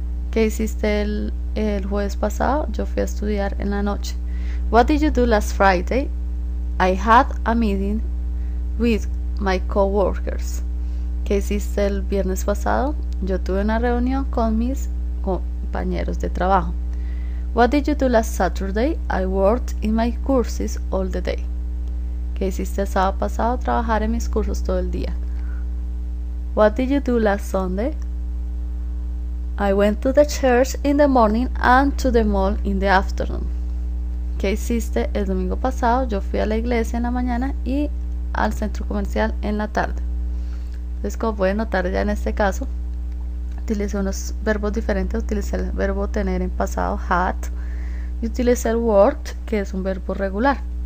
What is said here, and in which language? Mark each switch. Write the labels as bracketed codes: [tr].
[es] ¿Qué hiciste el jueves pasado? Yo fui a estudiar en la noche. [en] What did you do last Friday? I had a meeting with my coworkers. [es] ¿Qué hiciste el viernes pasado? Yo tuve una reunión con mis compañeros de trabajo. [en] What did you do last Saturday? I worked in my courses all the day. [es] ¿Qué hiciste el sábado pasado? Trabajar en mis cursos todo el día. [en] What did you do last Sunday? I went to the church in the morning and to the mall in the afternoon. [es] ¿Qué hiciste el domingo pasado? Yo fui a la iglesia en la mañana y al centro comercial en la tarde. Entonces, como pueden notar ya en este caso, utilicé unos verbos diferentes. Utilicé el verbo tener en pasado, had, y utilicé el worked, que es un verbo regular.